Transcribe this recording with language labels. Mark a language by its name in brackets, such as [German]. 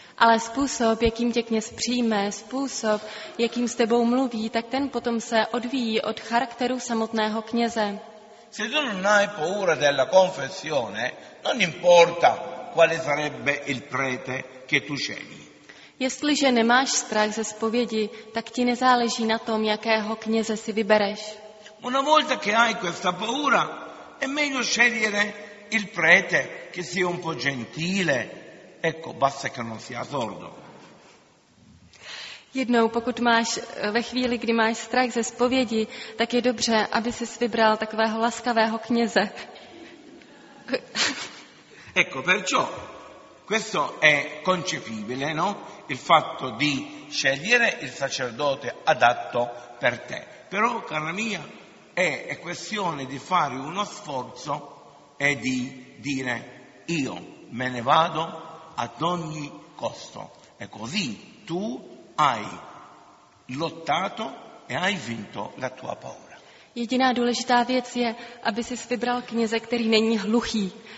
[Czech] Ale způsob, jakým tě kněz přijme, způsob, jakým s tebou mluví, tak ten potom se odvíjí od charakteru samotného kněze. [Italian] Se tu non hai paura della confessione, non importa quale sarebbe il prete che tu scegli. [Czech] Jestliže nemáš strach ze zpovědi, tak ti nezáleží na tom, jakého kněze si vybereš. [Italian] Una volta che hai questa paura, è meglio scegliere il prete che sia un po' gentile. Ecco, basta che non sia sordo. [Czech] Jednou, pokud máš ve chvíli, kdy máš strach ze zpovědi, tak je dobře, aby si vybral takového laskavého kněze. [Italian] Ecco, perciò questo è concepibile, no? Il fatto di scegliere il sacerdote adatto per te. Però, cara mia, è questione di fare uno sforzo e di dire io me ne vado ad ogni costo. E così tu hai lottato e hai vinto la tua paura. [Czech] Jediná důležitá věc je, aby si vybral kněze, který není hluchý.